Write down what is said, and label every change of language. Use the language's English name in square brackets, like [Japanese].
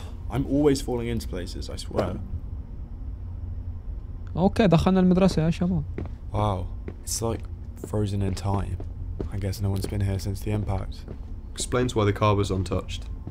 [English] I'm always falling into places, I swear. [Arabic] اوكي دخلنا المدرسة يا شباب. [English] Wow, it's like frozen in time. I guess no one's been here since the impact. Explains why the car was untouched.